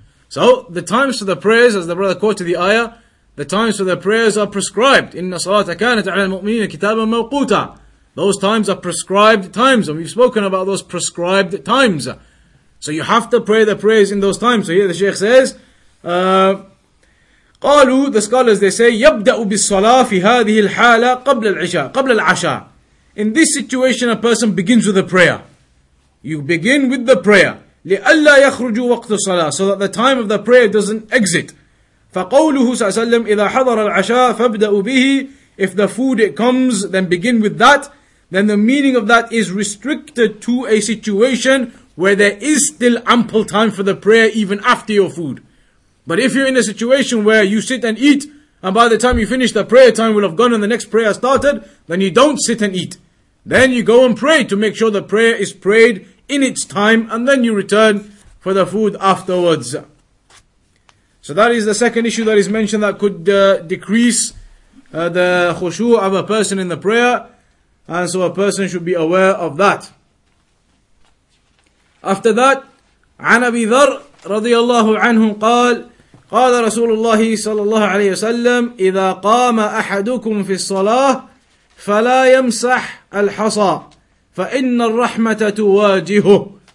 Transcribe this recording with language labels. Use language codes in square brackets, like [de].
[en] So, the times for the prayers, as the brother quoted the ayah, the times for the prayers are prescribed. [ar] Inna salata kanat ala al-mu'minina kitaban mawquta. [en] Those times are prescribed times, and we've spoken about those prescribed times. So you have to pray the prayers in those times. So here the Shaykh says, [ar] قالوا, [en] the scholars, they say, [ar] يبدأ بالصلاة في هذه الحالة قبل العشاء. قبل العشاء. [en] In this situation, a person begins with a prayer. You begin with the prayer. [ar] لِأَلَّا يَخْرُجُوا وَقْتُ الصَّلَاةِ, [en] so that the time of the prayer doesn't exit. [ar] فَقَوْلُهُ صَلَّى اللَّهُ عَلَيْهِ إِذَا حَضَرَ الْعَشَاءُ فَابْدَأُ بِهِ, [en] if the food it comes, then begin with that. Then the meaning of that is restricted to a situation where there is still ample time for the prayer even after your food. But if you're in a situation where you sit and eat, and by the time you finish the prayer, time will have gone and the next prayer started, then you don't sit and eat. Then you go and pray to make sure the prayer is prayed in its time, and then you return for the food afterwards. So that is the second issue that is mentioned that could decrease the khushu' of a person in the prayer, and so a person should be aware of that. After that, [ar] عن أبي ذر رضي الله عنه قال قال رسول الله صلى الله عليه وسلم إذا قام أحدكم في الصلاة فلا يمسح الحصى فَإِنَّ الرَّحْمَةَ تُوَاجِهُ